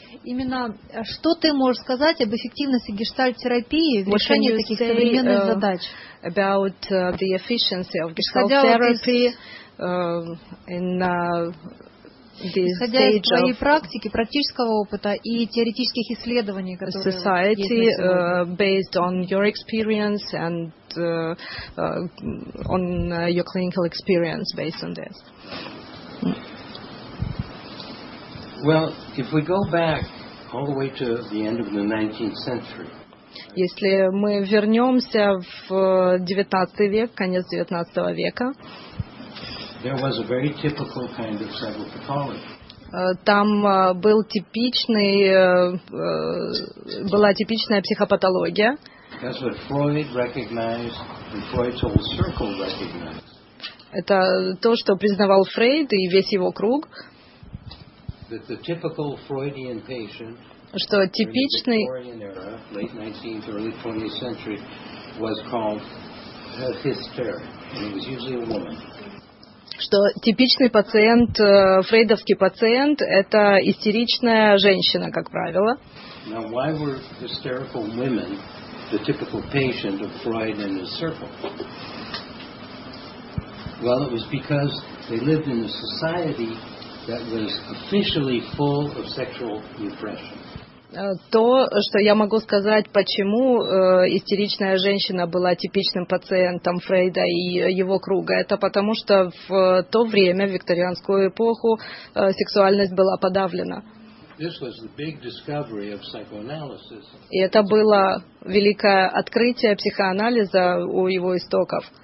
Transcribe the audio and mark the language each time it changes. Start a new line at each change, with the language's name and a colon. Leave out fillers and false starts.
Russian: Именно, что ты можешь сказать об эффективности гештальт-терапии в решении таких современных задач?
English: About the efficiency of gestalt-therapy in this stage of...
Russian: Исходя из твоей практики, практического опыта и теоретических исследований, которые есть на
English: society, based on your experience and on your clinical experience based on this. Well, if we go back all the way to the end of the 19th century.
Russian: Если мы вернемся в 19 век, конец 19 века,
English: there was a very typical kind of psychopathology.
Russian: Там был типичный, была типичная психопатология.
English: That's what Freud recognized, and Freud's whole circle recognized.
Russian: Это то, что признавал Фрейд и весь его круг.
English: That the typical Freudian patient,
Russian: что типичный пациент, фрейдовский пациент, это истеричная женщина, как правило.
English: Now, why were hysterical women the typical patient of Freud and his circle? Well, it was because they lived in a society that was officially full of sexual repression.
Russian: То, что я могу сказать, почему истеричная женщина была типичным пациентом Фрейда и его круга, это потому, что в то время, в викторианскую эпоху, сексуальность была подавлена. И это было великое открытие психоанализа у его истоков.